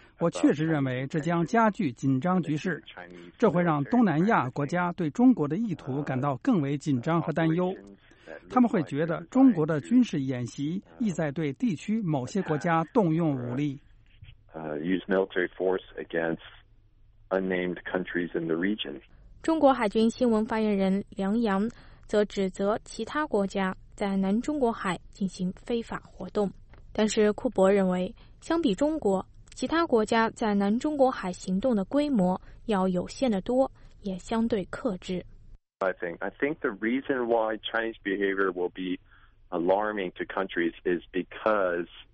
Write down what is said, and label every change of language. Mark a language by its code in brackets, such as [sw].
[zh] 我确实认为这将加剧紧张局势，这会让东南亚国家对中国的意图感到更为紧张和担忧。他们会觉得中国的军事演习意在对地区某些国家动用武力。 [en] Use military force against unnamed countries in the region. [zh] 中国海军新闻发言人梁洋则指责其他国家在南中国海进行非法活动，但是库伯认为，相比中国，其他国家在南中国海行动的规模要有限得多，也相对克制。 [en] I think the reason why Chinese behavior will be alarming to countries is because.